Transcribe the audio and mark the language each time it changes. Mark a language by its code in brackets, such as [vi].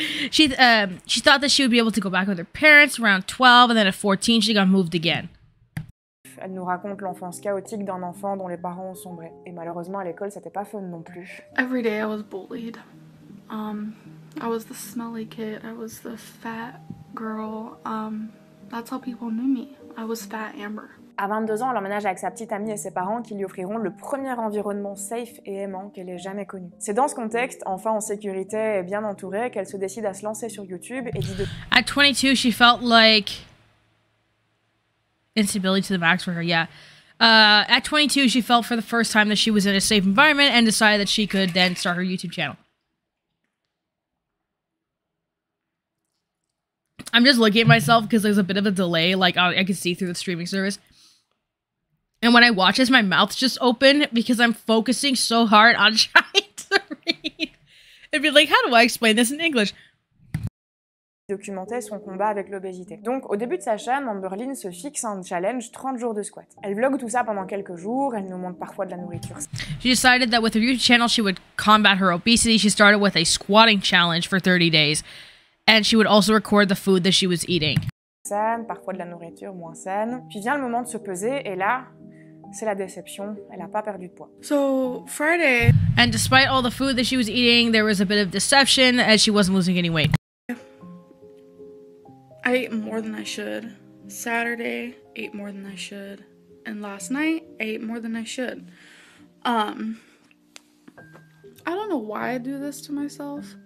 [en] she thought that she would be able to go back with her parents around 12, and then at 14 she got moved again. [fr] Elle nous raconte l'enfance chaotique d'un enfant dont les parents ont sombré, et malheureusement à l'école c'était pas fun non plus. [en] Every day I was bullied. I was the smelly kid. I was the fat girl. That's how people knew me. I was Fat Amber. [fr] À 22 ans, elle emménage avec sa petite amie et ses parents qui lui offriront le premier environnement safe et aimant qu'elle ait jamais connu. C'est dans ce contexte, enfin en sécurité et bien entourée, qu'elle se décide à se lancer sur YouTube et dit de... [en] At 22, she felt like... Instability to the max for her, yeah. At 22, she felt for the first time that she was in a safe environment and decided that she could then start her YouTube channel. I'm just looking at myself because there's a bit of a delay, like I can see through the streaming service. And when I watch this, my mouth's just open because I'm focusing so hard on trying to read. It'd be like, how do I explain this in English? [fr] Documenter son combat avec l'obésité. Donc, au début de sa chaîne, Amberlynn se fixe un challenge 30 jours de squat. Elle vlogue tout ça pendant quelques jours, elle nous montre parfois de la nourriture. [en] She decided that with her YouTube channel, she would combat her obesity. She started with a squatting challenge for 30 days. And she would also record the food that she was eating. [fr] Saine, parfois de la nourriture moins saine. Puis vient le moment de se peser, et là... C'est la déception, elle a pas perdu de poids. [en] So, Friday... And despite all the food that she was eating, there was a bit of deception as she wasn't losing any weight. I ate more than I should. Saturday, ate more than I should. And last night, I ate more than I should. I don't know why I do this to myself.